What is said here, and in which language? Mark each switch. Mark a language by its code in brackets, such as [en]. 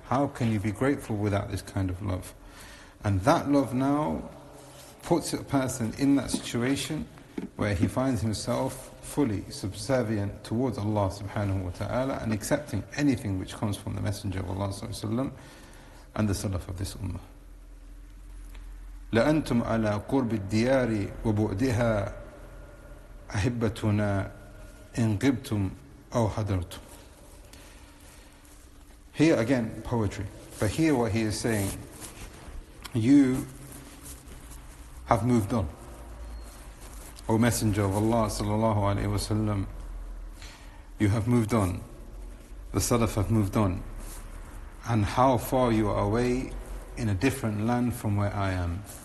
[en] How can you be grateful without this kind of love? And that love now puts a person in that situation where he finds himself fully subservient towards Allah subhanahu wa ta'ala and accepting anything which comes from the Messenger of Allah sallallahu alaihi wasallam and the Salaf of this ummah. [ar] لَأَنْتُمْ عَلَىٰ قُرْبِ الدِّيَارِ وَبُعْدِهَا أَحِبَّتُنَا إِنْ غِبْتُمْ أَوْ حَدَرْتُمْ [en] Here again, poetry. But here what he is saying, you have moved on. O Messenger of Allah sallallahu alaihi wasallam, you have moved on. The Salaf have moved on. And how far you are away in a different land from where I am.